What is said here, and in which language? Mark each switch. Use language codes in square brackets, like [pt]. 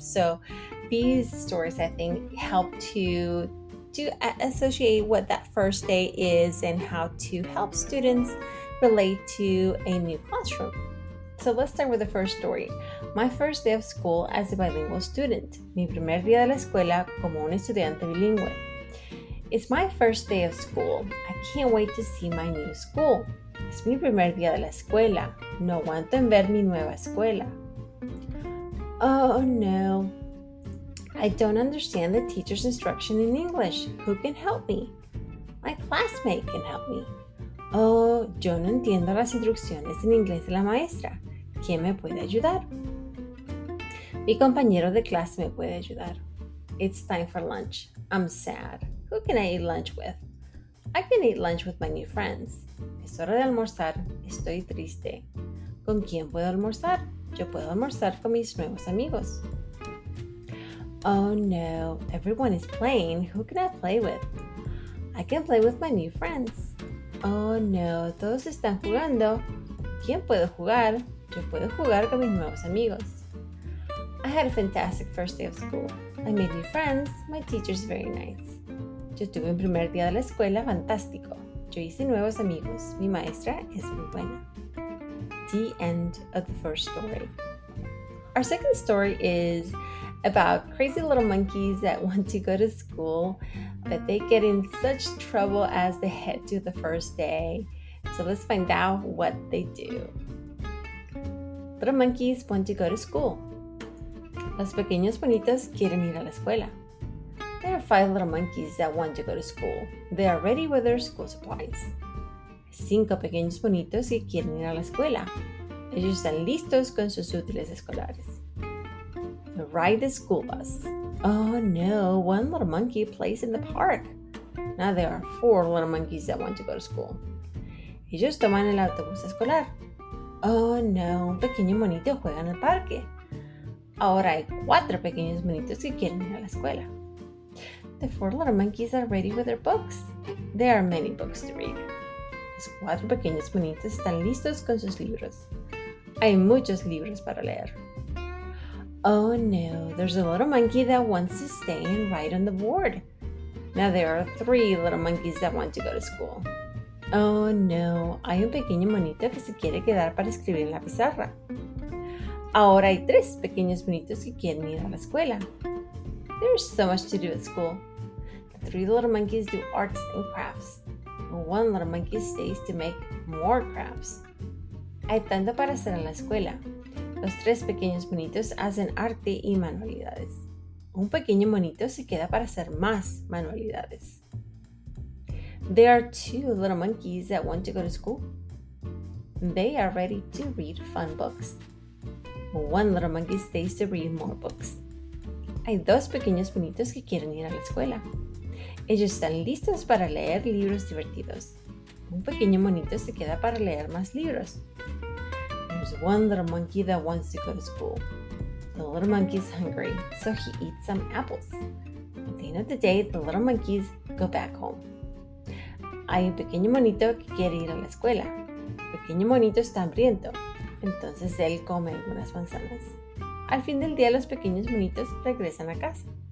[en] So these stories, I think, help to associate what that first day is and how to help students relate to a new classroom. So let's start with the first story. My first day of school as a bilingual student. [es] Mi primer día de la escuela como un estudiante bilingüe. [en] It's my first day of school. I can't wait to see my new school. [es] Es mi primer día de la escuela. No aguanto en ver mi nueva escuela. [en] Oh no. I don't understand the teacher's instruction in English. Who can help me? My classmate can help me. [es] Oh, yo no entiendo las instrucciones en inglés de la maestra. ¿Quién me puede ayudar? Mi compañero de clase me puede ayudar. [en] It's time for lunch. I'm sad. Who can I eat lunch with? I can eat lunch with my new friends. [es] Es hora de almorzar. Estoy triste. ¿Con quién puedo almorzar? Yo puedo almorzar con mis nuevos amigos. [en] Oh no, everyone is playing. Who can I play with? I can play with my new friends. [es] Oh no, todos están jugando. ¿Quién puedo jugar? Yo puedo jugar con mis nuevos amigos. [en] I had a fantastic first day of school. I made new friends. My teacher's very nice. [es] Yo tuve un primer día de la escuela fantástico. Yo hice nuevos amigos. Mi maestra es muy buena. [en] The end of the first story. Our second story is about crazy little monkeys that want to go to school, but they get in such trouble as they head to the first day. So let's find out what they do. Little monkeys want to go to school. [es] Los pequeños bonitos quieren ir a la escuela. [en] There are five little monkeys that want to go to school. They are ready with their school supplies. [es] Cinco pequeños bonitos que quieren ir a la escuela. Ellos están listos con sus útiles escolares. [en] Ride the school bus. Oh no, one little monkey plays in the park. Now there are four little monkeys that want to go to school. [es] Ellos toman el autobús escolar. Oh no, un pequeño monito juega en el parque. Ahora hay cuatro pequeños monitos que quieren ir a la escuela. [en] The four little monkeys are ready with their books. There are many books to read. [es] Los cuatro pequeños monitos están listos con sus libros. Hay muchos libros para leer. [en] Oh no, there's a little monkey that wants to stay and write on the board. Now there are three little monkeys that want to go to school. [es] Oh no, hay un pequeño monito que se quiere quedar para escribir en la pizarra. Ahora hay tres pequeños monitos que quieren ir a la escuela. [en] There's so much to do at school. The three little monkeys do arts and crafts. One little monkey stays to make more crafts. [es] Hay tanto para hacer en la escuela. Los tres pequeños monitos hacen arte y manualidades. Un pequeño monito se queda para hacer más manualidades. [en] There are two little monkeys that want to go to school. They are ready to read fun books. One little monkey stays to read more books. [es] Hay dos pequeños monitos que quieren ir a la escuela. Ellos están listos para leer libros divertidos. Un pequeño monito se queda para leer más libros. [en] There's one little monkey that wants to go to school. The little monkey's hungry, so he eats some apples. At the end of the day, the little monkeys go back home. [es] Hay un pequeño monito que quiere ir a la escuela. El pequeño monito está hambriento. Entonces él come algunas manzanas. Al fin del día, los pequeños monitos regresan a casa.